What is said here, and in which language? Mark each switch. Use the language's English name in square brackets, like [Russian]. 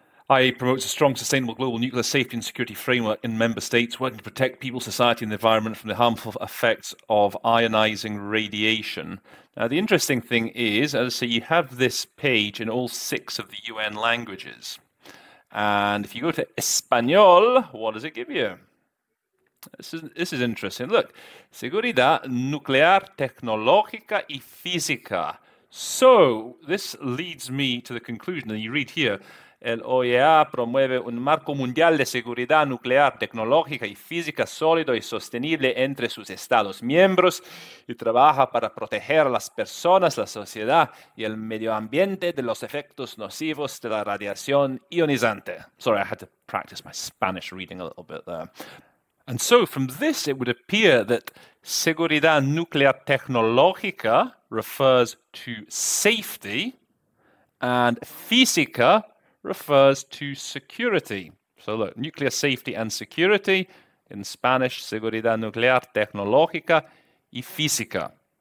[English] IAEA promotes a strong, sustainable global nuclear safety and security framework in member states, working to protect people, society, and the environment from the harmful effects of ionizing radiation. Now, the interesting thing is, as I say, you have this page in all six of the UN languages. And if you go to Espanol, what does it give you? This is interesting. [Spanish] Look, seguridad nuclear tecnológica y física. [English] So this leads me to the conclusion, and you read here, [Spanish] El OEA promueve un marco mundial de seguridad nuclear, tecnológica y física sólido y sostenible entre sus estados miembros y trabaja para proteger a las personas, la sociedad y el medio ambiente de los efectos nocivos de la radiación ionizante. [English] Sorry, I had to practice my Spanish reading a little bit there. And so from this, it would appear that seguridad nuclear tecnológica refers to safety and física refers to security. So look, nuclear safety and security, in Spanish, seguridad nuclear, tecnológica y física.